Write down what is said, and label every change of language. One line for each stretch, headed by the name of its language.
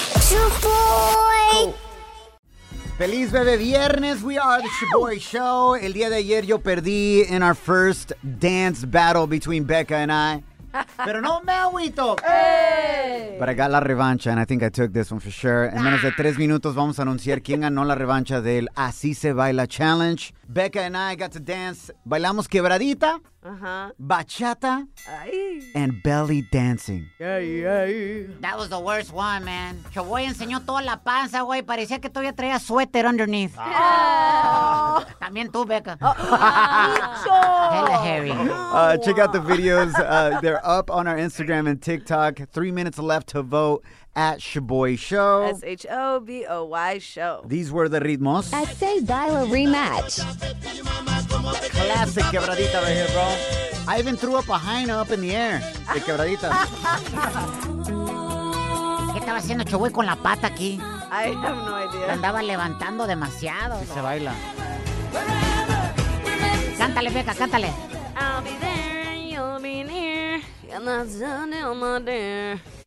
Spanish: Shaboy. Feliz Bebe Viernes,
English: we are the Shaboy Show.
Spanish: El día de ayer yo perdí
English: in our first dance battle between Becca and I.
Spanish: Pero no me agüito. Hey.
English: But I got
Spanish: la revancha
English: and I think I took this one for sure.
Spanish: En menos de 3 minutos vamos a anunciar quién ganó la revancha del Así Se Baila Challenge.
English: Becca and I got to dance.
Spanish: Bailamos quebradita, bachata,
English: and belly dancing. That was the worst one, man.
Spanish: Chaboy enseñó toda la panza, güey. Parecía que todavía traía suéter
English: underneath. Oh.
Spanish: También tú, Becca.
English: Hella hairy. Check out the videos. They're up on our Instagram and TikTok. 3 minutes left to vote. At Shaboy Show. S-H-O-B-O-Y Show. These were the ritmos. I say dial a rematch. Classic quebradita right here, bro. I even threw up a hyena up in the air.
Spanish: De quebradita. ¿Qué estaba haciendo Chaboy con la pata aquí?
English: I have no idea.
Spanish: Andaba levantando demasiado. Sí, se baila. Cántale, Becca, cántale.
English: I'll be there and you'll be near. And that's done on my dear.